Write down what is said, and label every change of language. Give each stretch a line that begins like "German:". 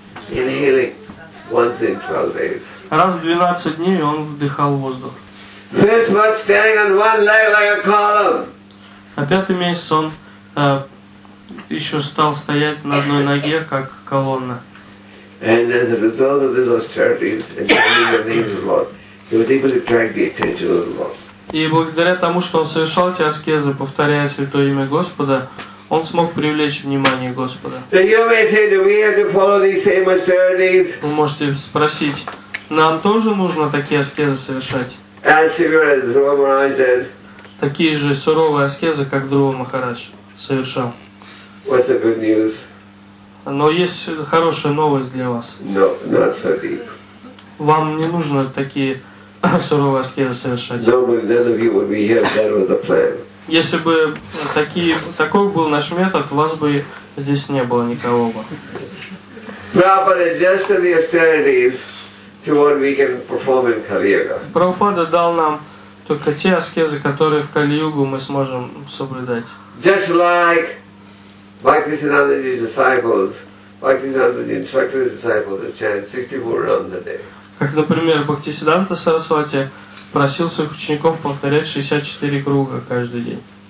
English: Inhaling once in 12 days.
Russian: Раз в 12 дней он вдыхал воздух.
English: Fifth month, standing on one leg like a column.
Russian: На пятый месяц он еще стал стоять на одной ноге, как колонна.
English: And as a result of his austerities and chanting the name of the Lord, he was able to attract the attention of the Lord.
Russian: И благодаря тому, что он совершал эти аскезы, повторяя святое имя Господа, он смог привлечь внимание Господа.
English: So you may say, do we have to follow these same austerities?
Russian: Вы можете спросить. Нам тоже нужно такие аскезы совершать.
English: As severe as Dhruva Maharaj did.
Russian: Такие же суровые аскезы, как Дхрува Махарадж совершал.
English: What's the good news?
Russian: Но есть хорошая новость для вас.
English: No, not so deep.
Russian: Вам не нужно такие суровые аскезы совершать.
English: No, but none of you would be here. That was the plan.
Russian: Если бы такой был наш метод, вас бы здесь не было никого бы.
English: Prabhupada adjusted the austerities. To what we can perform in Kali-Yuga.
Russian: Прабхупада дал нам только те аскезы, которые в Кали-Югу мы сможем соблюдать.
English: Just like Bhaktisiddhanta's disciples, Bhaktisiddhanta's instructed disciples to chant 64 rounds a day.
Russian: Как, например, Бхактисиддханта Сарасвати просил своих учеников повторять 64 круга каждый день.